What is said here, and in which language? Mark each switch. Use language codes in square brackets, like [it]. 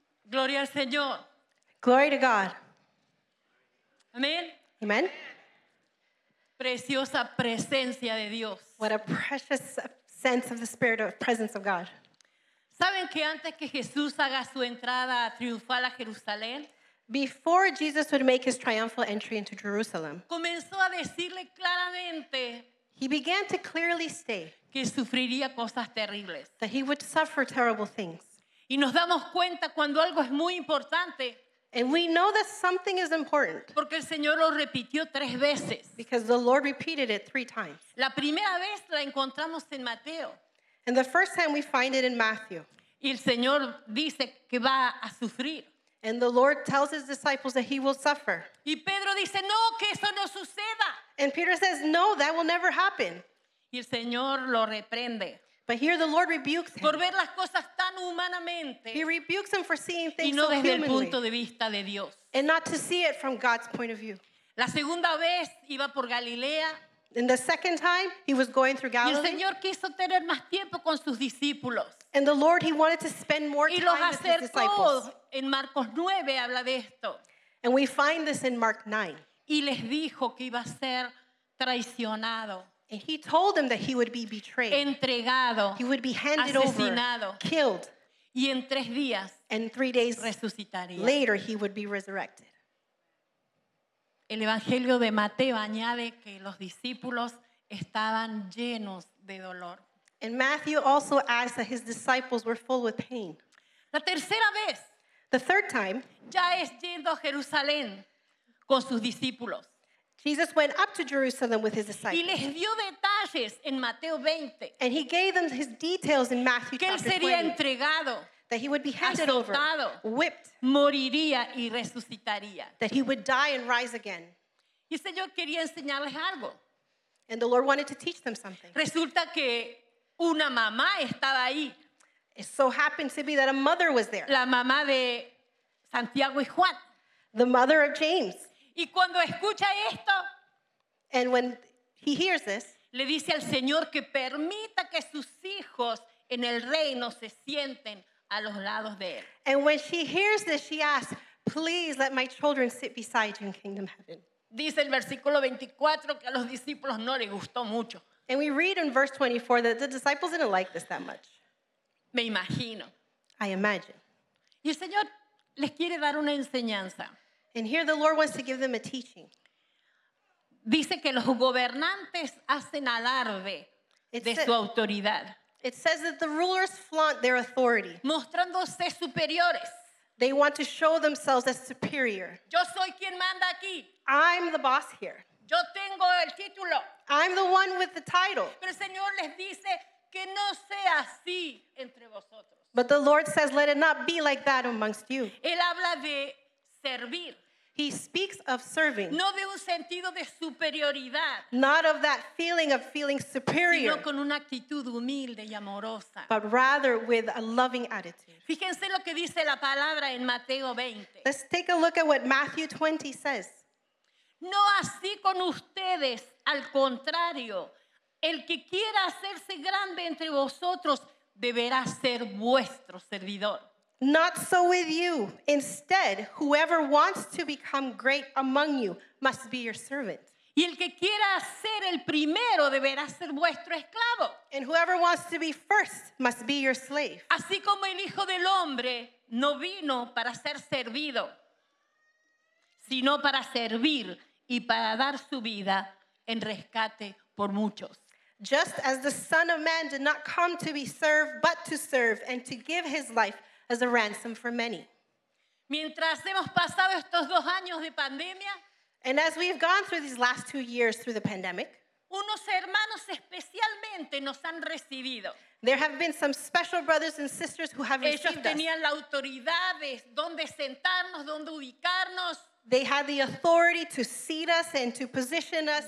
[es] Gloria al Señor. [en] Glory to God. Amen. Amen. [es] Preciosa presencia de Dios. [en] What a precious sense of the spirit of presence of God. [es] ¿Saben que antes que Jesús haga su entrada triunfal a Jerusalén? [en] Before Jesus would make his triumphal entry into Jerusalem, [es] comenzó a decirle claramente, [en] he began to clearly state [es] que sufriría cosas terribles. [en] That he would suffer terrible things. [es] Y nos damos cuenta cuando algo es muy importante. [en] And we know that something is important. [es] Porque el Señor lo repitió 3 veces. [en] Because the Lord repeated it 3 times. [es] La primera vez la encontramos en Mateo. [en] And the first time we find it in Matthew. [es] Y el Señor dice que va a sufrir. [en] And the Lord tells his disciples that he will suffer. [es] Y Pedro dice, no, que eso no suceda. [en] And Peter says, no, that will never happen. [es] Y el Señor lo reprende. [en] But here the Lord rebukes him. [es] Por ver las cosas tan humanamente. [en] He rebukes him for seeing things [es] y no [en] so [es] desde [en] humanly. [es] El punto de vista de Dios. [en] And not to see it from God's point of view. [es] La segunda vez iba por Galilea. [en] And the second time, he was going through Galilee. [es] Y el Señor quiso tener más tiempo con sus discípulos. [en] And the Lord, he wanted to spend more time with his disciples. [es] En Marcos 9 habla de esto. [en] And we find this in Mark 9. [es] Y les dijo que iba a ser traicionado. [en] And he told them that he would be betrayed. [es] Entregado. [en] He would be handed [es] asesinado, [en] over. Killed. [es] Y en tres días, [en] and 3 days [es] resucitaría. [en] Later, he would be resurrected. [es] El Evangelio de Mateo añade que los discípulos estaban llenos de dolor. [en] And Matthew also adds that his disciples were full with pain. [es] La tercera vez. [en] The third time. [es] Ya es yendo a Jerusalén con sus discípulos. [en] Jesus went up to Jerusalem with his disciples. [es] Y les dio detalles en Mateo 20. [en] And he gave them his details in Matthew 20. [es] Que él sería entregado. [en] That he would be handed [es] azotado, [en] over, whipped, [es] moriría y resucitaría. [en] That he would die and rise again. [es] Y el Señor quería enseñarles algo. [en] And the Lord wanted to teach them something. [es] Resulta que una mamá estaba ahí. [en] It so happened to be that a mother was there. [es] La mamá de Santiago y Juan. [en] The mother of James. [es] Y cuando escucha esto, [en] and when he hears this, [es] le dice al Señor que permita que sus hijos en el reino se sienten a los lados de él. [en] And when she hears this, she asks, please let my children sit beside you in kingdom heaven. [es] Dice el versículo 24 que a los discípulos no les gustó mucho. [en] And we read in verse 24 that the disciples didn't like this that much. [es] Me imagino. [en] I imagine. [es] Y el Señor les quiere dar una enseñanza. [en] And here the Lord wants to give them a teaching. [es] Dice que los gobernantes hacen alarde de su autoridad. [en] It says that the rulers flaunt their authority. [es] Mostrándose superiores. [en] They want to show themselves as superior. [es] Yo soy quien manda aquí. [en] I'm the boss here. [es] Yo tengo el título. [en] I'm the one with the title. [es] Pero el Señor les dice que no sea así entre vosotros. [en] But the Lord says, let it not be like that amongst you. [es] Él habla de servir. [en] He speaks of serving. [es] No de un sentido de superioridad. [en] Not of that feeling of feeling superior. [es] Sino con una actitud humilde y amorosa. [en] But rather with a loving attitude. [es] Fíjense lo que dice la palabra en Mateo 20. [en] Let's take a look at what Matthew 20 says. [es] No así con ustedes, al contrario. El que quiera hacerse grande entre vosotros deberá ser vuestro servidor. [en] Not so with you. Instead, whoever wants to become great among you must be your servant. [es] Y el que quiera ser el primero deberá ser vuestro esclavo. [en] And whoever wants to be first must be your slave. [es] Así como el Hijo del Hombre no vino para ser servido, sino para servir y para dar su vida en rescate por muchos. [en] Just as the Son of Man did not come to be served, but to serve and to give his life as a ransom for many. [es] Mientras hemos pasado estos dos años de pandemia, [en] and as we've gone through these last 2 years through the pandemic, [es] unos hermanos especialmente nos han recibido. [en] There have been some special brothers and sisters who have [es] ellos [en] received [es] tenían La autoridad de dónde sentarnos, dónde ubicarnos. [en] They had the authority to seat us and to position us